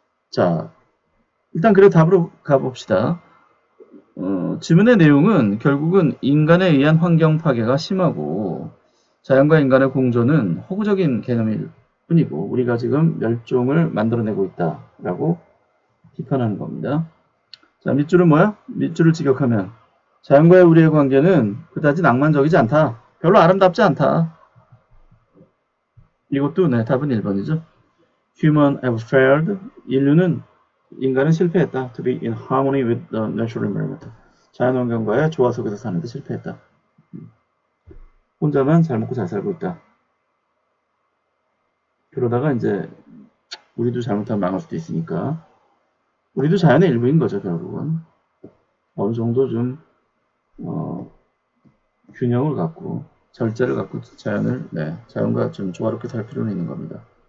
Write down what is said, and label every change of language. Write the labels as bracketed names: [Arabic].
[Korean] 자, 일단 그래도 답으로 가봅시다. 질문의 내용은 결국은 인간에 의한 환경 파괴가 심하고 자연과 인간의 공존은 허구적인 개념일 뿐이고 우리가 지금 멸종을 만들어내고 있다라고 비판하는 겁니다. 자, 밑줄은 뭐야? 밑줄을 직역하면 자연과의 우리의 관계는 그다지 낭만적이지 않다. 별로 아름답지 않다. 이것도 네, 답은 1번이죠. [English] Human have failed. [Korean] 인류는 인간은 실패했다. [English] To be in harmony with the natural environment. [Korean] 자연 환경과의 조화 속에서 사는 데 실패했다. 혼자만 잘 먹고 잘 살고 있다. 그러다가 이제 우리도 잘못하면 망할 수도 있으니까 우리도 자연의 일부인 거죠, 결국은. 어느 정도 좀 균형을 갖고 절제를 갖고 자연을 네, 자연과 좀 조화롭게 살 필요는 있는 겁니다.